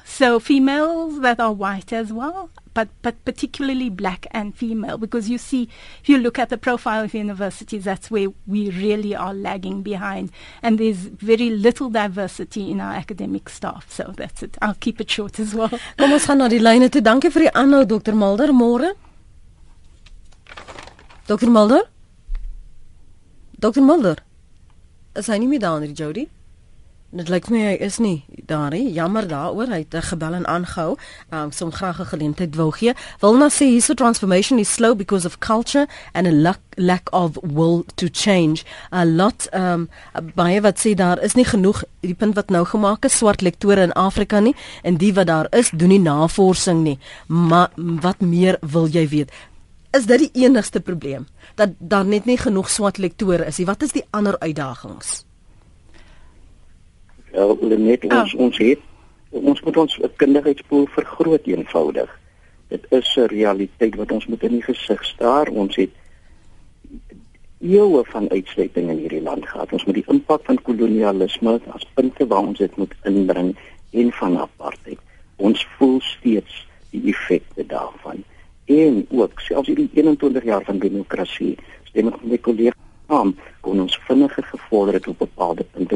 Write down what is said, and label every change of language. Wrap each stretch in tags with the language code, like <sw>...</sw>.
<en>So females that are white as well, but particularly black and female. Because you see, if you look at the profile of universities, that's where we really are lagging behind. And there's very little diversity in our academic staff. So that's it. I'll keep it short as well.</en> <af>Kom ons gaan na die lyne toe. Dankie vir die aanhou, Dr. Mulder. Môre. Dr. Mulder? Dr. Mulder? Is hy nie meer daar, Jody? Dit lyk my hy is nie daar, he. Jammer daar oor, hy het gebel en aangehou, som graag een geleentheid wil gee. Wilna sê, hierdie</af> <en>transformation is slow because of culture and a lack of will to change. A lot,</en> <af>baie wat sê, daar is nie genoeg, die punt wat nou gemaakt is, swart lektore in Afrika nie, en die wat daar is, doen nie navorsing nie. Maar wat meer wil jy weet? Is dit die enigste probleem? Dat daar net nie genoeg swart lektore is. Wat is die ander uitdagings? Wel, Lynette, ons het, ons moet ons kundigheidspool vergroot eenvoudig. Dit is 'n realiteit wat ons moet in die gesig staar. Ons het eeuwe van uitsluiting in hierdie land gehad. Ons moet die impak van kolonialisme as punte waar ons dit moet inbring en van apartheid. Ons voel steeds die effekte daarvan. En ook, selfs hierdie 21 jaar van demokrasie, stem ek met my kollega Saam, kon ons vinniger gevorder het op bepaalde punte.</af>